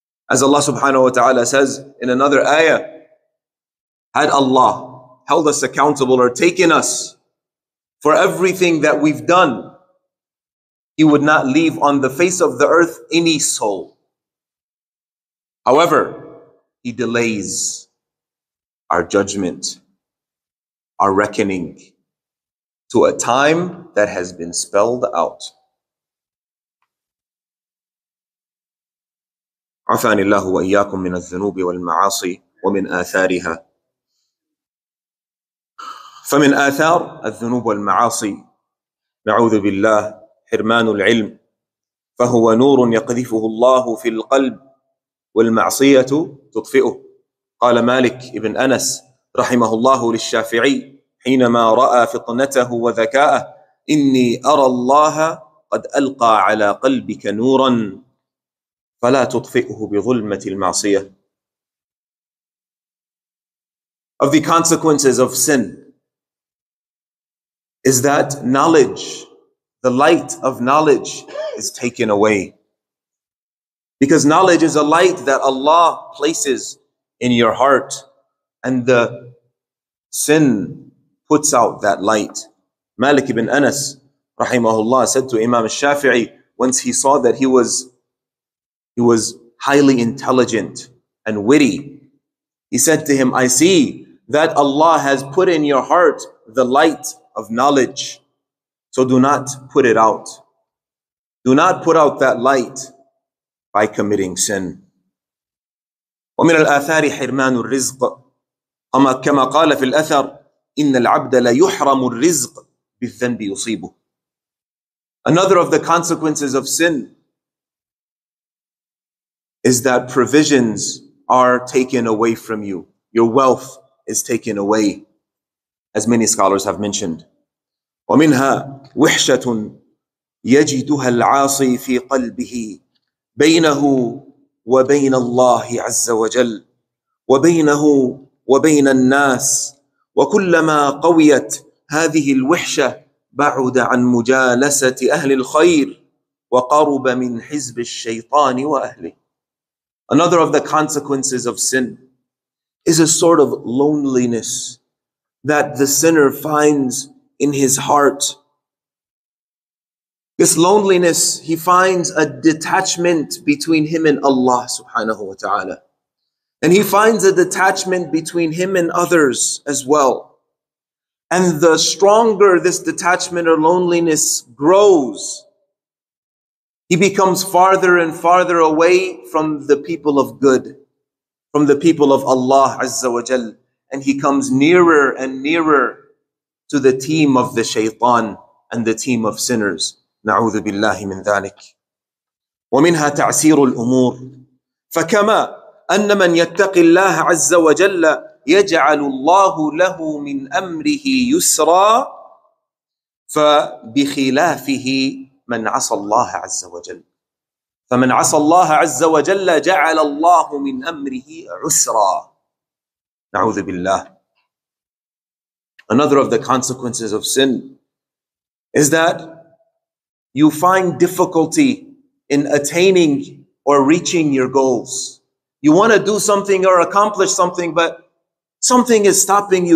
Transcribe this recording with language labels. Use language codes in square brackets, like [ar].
[en] As Allah subhanahu wa ta'ala says in another ayah, had Allah held us accountable or taken us for everything that we've done, He would not leave on the face of the earth any soul. However, He delays our judgment, our reckoning, to a time that has been spelled out. [ar] عفاني الله وإياكم من الذنوب والمعاصي ومن آثارها. فمن آثار الذنوب والمعاصي، نعوذ بالله، حرمان العلم، فهو نور يقذفه الله في القلب والمعصية تطفئه. قال مالك ابن أنس رحمه الله للشافعي حينما رأى فطنته وذكاءه: إني أرى الله قد ألقى على قلبك نورا فلا تطفئه بظلمة المعصية. [en] Of the consequences of sin is that knowledge, the light of knowledge, is taken away. Because knowledge is a light that Allah places in your heart, and the sin puts out that light. Malik ibn Anas rahimahullah said to Imam al-Shafi'i, once he saw that he was highly intelligent and witty, he said to him, I see that Allah has put in your heart the light of knowledge, so do not put it out. Do not put out that light by committing sin. [ar] ومن الآثار حرمان الرزق كما قال في الأثر إن العبد لا يحرم الرزق بالذنب يصيبه. [en] Another of the consequences of sin is that provisions are taken away from you. Your wealth is taken away, as many scholars have mentioned. [ar] ومنها وحشة يجدها العاصي في قلبه بينه وبين الله عز وجل وبينه وبين الناس، وكلما قويت هذه الوحشة بعد عن مجالسة أهل الخير وقرب من حزب الشيطان وأهله. [en] Another of the consequences of sin is a sort of loneliness that the sinner finds in his heart. This loneliness, he finds a detachment between him and Allah subhanahu wa ta'ala. And he finds a detachment between him and others as well. And the stronger this detachment or loneliness grows, he becomes farther and farther away from the people of good, from the people of Allah Azza wa Jal, and he comes nearer and nearer to the team of the shaytan and the team of sinners. [ar] نعوذ بالله من ذلك. ومنها تعسير الأمور، فكما أن من يتق الله عز وجل يجعل الله له من أمره يسرا، فبخلافه من عصى الله عز وجل. ف فمن عصى الله عز وجل جعل الله من أمره عسرا. نعوذ بالله. [en] Another of the consequences of sin is that you find difficulty in attaining or reaching your goals. You want to do something or accomplish something, but something is stopping you.